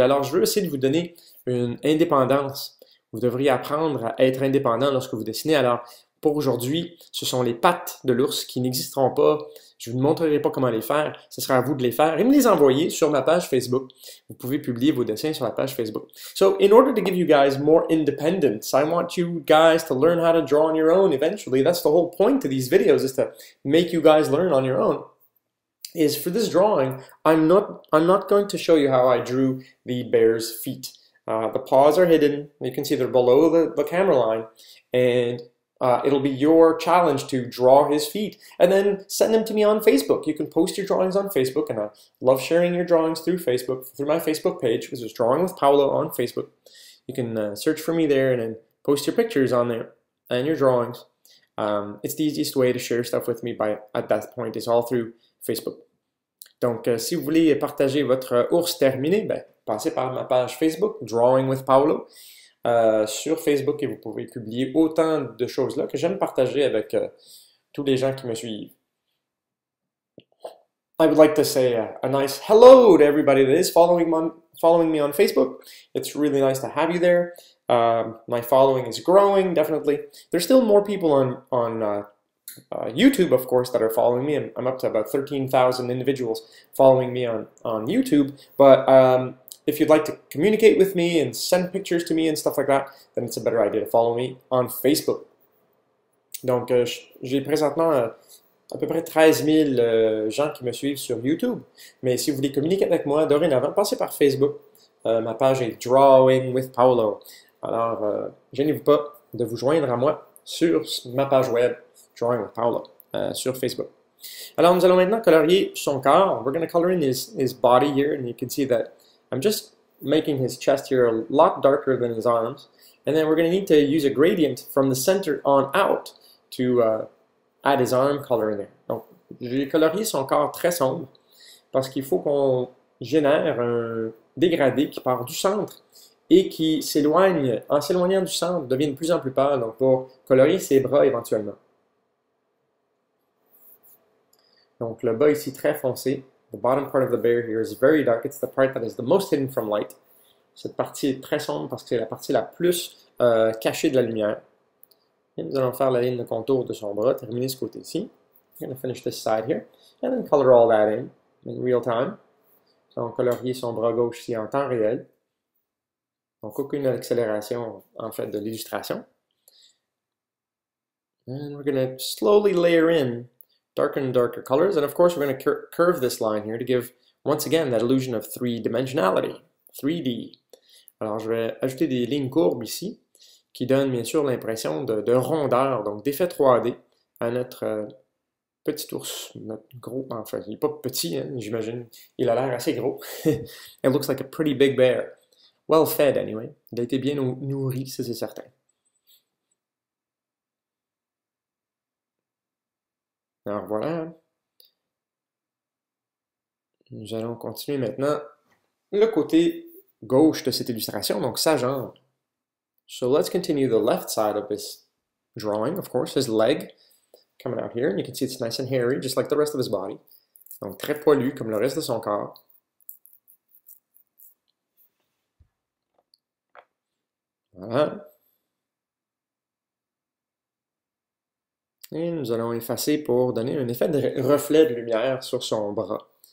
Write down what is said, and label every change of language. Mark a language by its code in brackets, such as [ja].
[fr] Alors, je veux essayer de vous donner une indépendance. Vous devriez apprendre à être indépendant lorsque vous dessinez. Alors, pour aujourd'hui, ce sont les pattes de l'ours qui n'existeront pas. Je ne vous montrerai pas comment les faire. Ce sera à vous de les faire et me les envoyer sur ma page Facebook. Vous pouvez publier vos dessins sur la page Facebook. [en] So, in order to give you guys more independence, I want you guys to learn how to draw on your own eventually. That's the whole point of these videos, is to make you guys learn on your own. Is for this drawing, I'm not going to show you how I drew the bear's feet. The paws are hidden. You can see they're below the camera line. And it'll be your challenge to draw his feet and then send them to me on Facebook. You can post your drawings on Facebook, and I love sharing your drawings through my Facebook page, which is Drawing with Paolo on Facebook. You can search for me there and then post your pictures on there and your drawings. It's the easiest way to share stuff with me at that point. It's all through Facebook. [fr] Donc, si vous voulez partager votre ours terminé, passez par ma page Facebook, Drawing with Paolo. Sur Facebook, et vous pouvez publier autant de choses-là que j'aime partager avec tous les gens qui me suivent. [en] I would like to say a nice hello to everybody that is following me on Facebook. It's really nice to have you there. My following is growing, definitely. There's still more people on YouTube, of course, that are following me. I'm up to about 13,000 individuals following me on YouTube, but if you'd like to communicate with me and send pictures to me and stuff like that, then it's a better idea to follow me on Facebook. [fr] Donc, j'ai présentement à peu près 13 000 gens qui me suivent sur YouTube. Mais si vous voulez communiquer avec moi dorénavant, passez par Facebook. Ma page est Drawing with Paolo. Alors, gênez-vous pas de vous joindre à moi sur ma page web, Drawing with Paolo, sur Facebook. Alors, nous allons maintenant colorier son corps. [en] We're going to color in his body here, and you can see that I'm just making his chest here a lot darker than his arms. And then we're going to need to use a gradient from the center on out to add his arm color in there. [fr] Donc, je vais colorier son corps très sombre parce qu'il faut qu'on génère un dégradé qui part du centre et qui s'éloigne, en s'éloignant du centre, devient de plus en plus pâle. Donc, pour colorier ses bras éventuellement. Donc, le bas ici très foncé. [en] The bottom part of the bear here is very dark. It's the part that is the most hidden from light. [fr] Cette partie est très sombre parce que c'est la partie la plus cachée de la lumière. Et nous allons faire la ligne de contour de son bras, terminer ce côté-ci. [en] I'm going to finish this side here. And then color all that in real time. [fr] Nous allons colorier son bras gauche ici en temps réel. Donc, aucune accélération, en fait, de l'illustration. [en] And we're going to slowly layer in darker and darker colors. And of course, we're going to curve this line here to give, once again, that illusion of three-dimensionality. 3D. [fr] Alors, je vais ajouter des lignes courbes ici, qui donnent, bien sûr, l'impression de rondeur, donc d'effet 3D, à notre petit ours, notre gros, enfin, il n'est pas petit, hein, j'imagine. Il a l'air assez gros. [en] It looks like a pretty big bear. Well fed, anyway. [fr] Il a été bien nourri, ça c'est certain. Alors voilà. Nous allons continuer maintenant le côté gauche de cette illustration, donc sa jambe. [en] So let's continue the left side of this drawing, of course, his leg coming out here. And you can see it's nice and hairy, just like the rest of his body. [fr] Donc très poilu, comme le reste de son corps. Voilà. Et nous allons effacer pour donner un effet de reflet de lumière sur son bras.